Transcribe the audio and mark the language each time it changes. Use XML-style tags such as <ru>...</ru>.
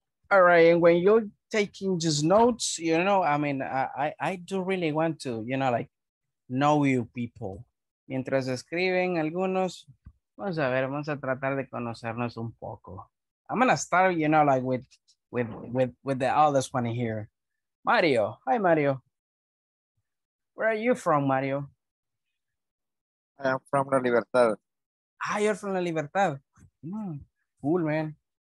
<en>All right, and when you're taking just notes, you know, I mean, I do really want to, you know, like, know you people.</en> <es>Mientras escriben algunos, vamos a ver, vamos a tratar de conocernos un poco.</es> <en>I'm gonna start, you know, like, with the oldest one here. Mario. Hi, Mario. Where are you from, Mario? I am from La Libertad. Ah, you're from La Libertad. Cool, man.</en>